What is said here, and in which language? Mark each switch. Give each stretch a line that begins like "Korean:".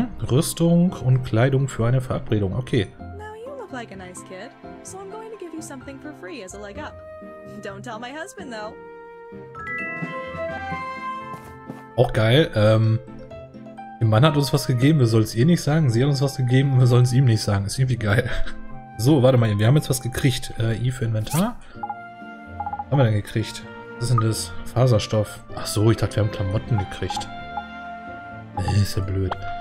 German: Rüstung und Kleidung für eine Verabredung. Okay.
English: Like a nice kid, so I'm going to give you something for free as a leg up. Don't tell my husband though.
German: Auch geil. Der Mann hat uns was gegeben, wir sollen es ihr nicht sagen. Sie hat uns was gegeben und wir sollen es ihm nicht sagen. Ist irgendwie geil. So, warte mal, wir haben jetzt was gekriegt. I für Inventar. Haben wir denn gekriegt? Was ist denn das? Faserstoff. Ach so, ich dachte, wir haben Klamotten gekriegt. Ist ja blöd.